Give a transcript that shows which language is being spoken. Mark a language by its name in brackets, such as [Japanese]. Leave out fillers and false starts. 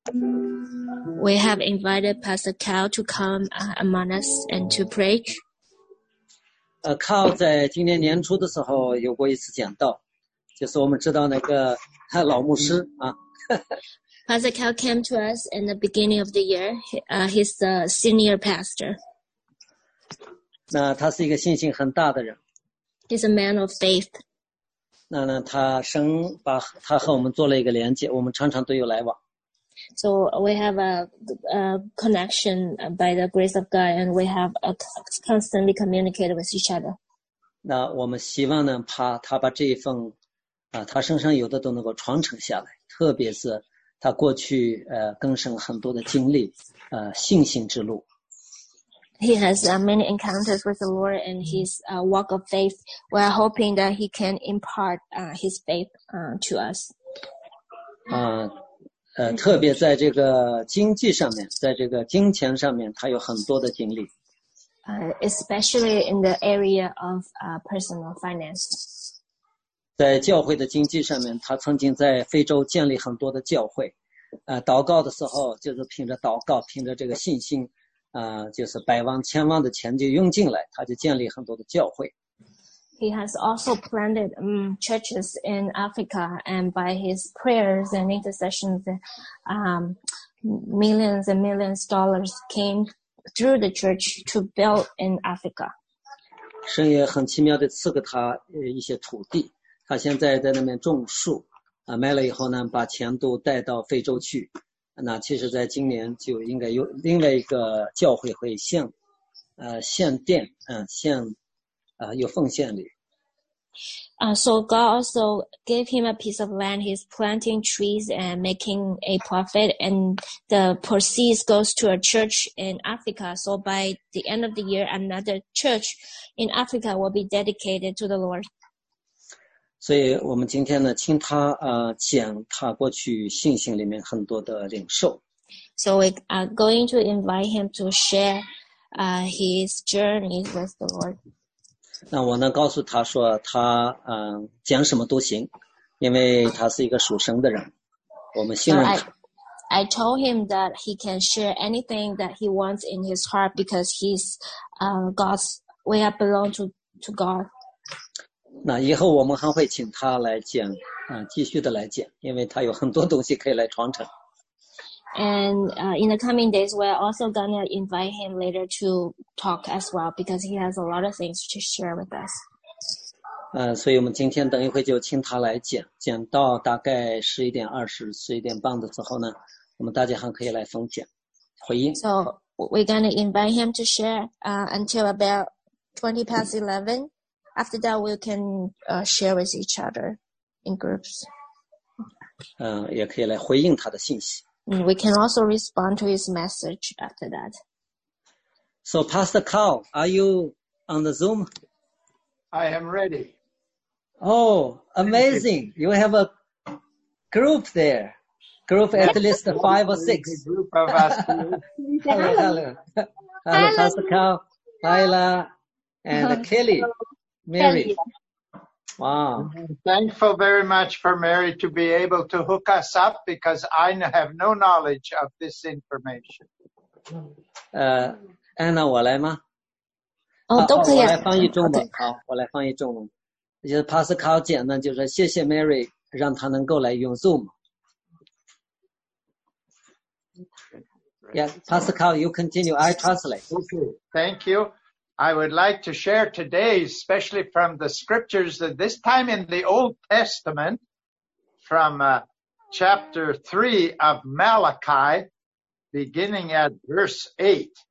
[English] We have invited Pastor Cao to come among us and to pray. [Chinese] Cao 在今年年初的时候有过一次讲道，就是我们知道那个老牧师啊。 [English] Pastor Cao came to us in the beginning of the year. He's the senior pastor. [Chinese] 那他是一个信心很大的人。 [English] He's a man of faith. [Chinese] 那呢，他和我们做了一个连接，我们常常都有来往。 [English] So we have a connection by the grace of God, and we have a constantly communicated with each other. [Chinese] 那我们希望呢，怕他把这一份啊，他身上有的都能够传承下来，特别是他过去更深很多的经历，信心之路。 [English] He has many encounters with the Lord and his walk of faith. We are hoping that he can impart his faith to us. [Chinese] 特别在这个经济上面，在这个金钱上面，他有很多的经历。 [English] Especially in the area of personal finance. [Chinese] 在教会的经济上面，他曾经在非洲建立很多的教会。祷告的时候，就是凭着祷告，凭着这个信心。就是百万千万的钱就用进来，他就建立很多的教会。 [English] He has also planted churches in Africa, and by his prayers and intercessions, millions and millions of dollars came through the church to build in Africa. [Chinese] 神也很奇妙地赐给他一些土地，他现在在那边种树，卖了以后呢，把钱都带到非洲去。那其实在今年就应该有另外一个教会会有奉献礼。 [English] So God also gave him a piece of land. He's planting trees and making a profit, and the proceeds goes to a church in Africa. So by the end of the year, another church in Africa will be dedicated to the Lord. [Chinese] 所以我们今天呢，听他讲他过去信心里面很多的领受。 [English] So we are going to invite him to share his journey with the Lord. [Chinese] 那我呢告诉他说他讲什么都行，因为他是一个属神的人，我们信任他。 [English] I told him that he can share anything that he wants in his heart because he's God's. We are belong to God. [Chinese] 那以后我们还会请他来讲，继续的来讲，因为他有很多东西可以来传承。 [English] And in the coming days, we're also gonna invite him later to talk as well because he has a lot of things to share with us. [Chinese] 所以我们今天等一会就请他来讲，讲到大概11:20-11:30的时候呢，我们大家还可以来分享，回应。 [English] So we're gonna invite him to share until about 11:20. After that, we can share with each other in groups. [Chinese] 也可以来回应他的信息。 [English] We can also respond to his message after that. So, Pastor Cao, are you on the Zoom? I am ready. Oh, amazing. You have a group there. Group at least 5 or 6. Group of us. Hello, hello. Hello, Pastor Cao, Lila, and Kelly. Mary. Wow. Thankful very much for Mary to be able to hook us up because I have no knowledge of this information. [Chinese] Anna, 我来吗？都可以。我来翻译中文。好，我来翻译中文。就是 Pascal 简单就是谢谢 Mary 让他能够来用 Zoom. [English] Yeah, Pascal, you continue. I translate. Thank you. I would like to share today, especially from the scriptures, that this time in the Old Testament, from chapter 3 of Malachi, beginning at verse 8.